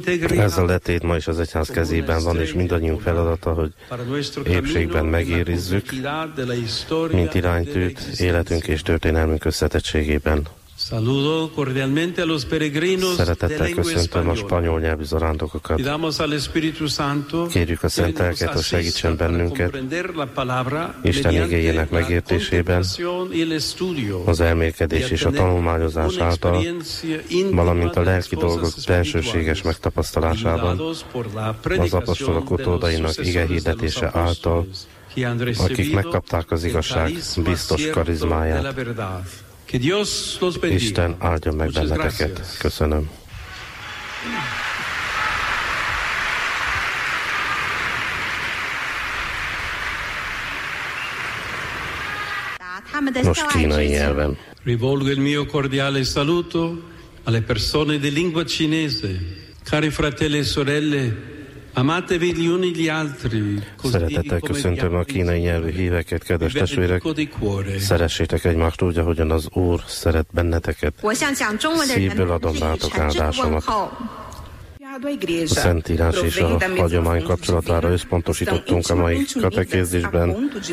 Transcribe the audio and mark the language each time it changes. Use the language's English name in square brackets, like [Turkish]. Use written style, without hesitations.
[Hungarian] Ez a letét ma is az egyház kezében van, és mindannyiunk feladata, hogy épségben megérizzük, mint iránytűt életünk és történelmünk összetettségében. [Spanish] Saludo cordialmente a los peregrinos de lengua española. [Hungarian] Köszöntöm a spanyol nyelvű zarándokokat. [Spanish] Pidamos al Espíritu Santo. [Hungarian] Kérjük a Szent Lelket, hogy segítsen bennünket Isten igényének megértésében, az elmélkedés és a tanulmányozás által, valamint a lelki dolgok bensőséges megtapasztalásában, az apostolok utódainak ige hirdetése által, akik megkapták az igazság biztos karizmáját. [Spanish] Que Dios los bendiga. [Hungarian] Isten áldjon meg benneteket. Köszönöm. Most kínai nyelven. [Italian] Rivolgo il mio cordiale saluto alle persone di lingua cinese. Cari fratelli e sorelle, amatevi gli uni gli altri. [Hungarian] Szeretettel köszöntöm a kínai nyelvű híveket, kedves testvérek. Szeressétek egymást úgy, ahogyan az Úr szeret benneteket. Szívből adom rátok áldásomat. A Szentírás és a hagyomány kapcsolatára összpontosítottunk a mai katekézisben.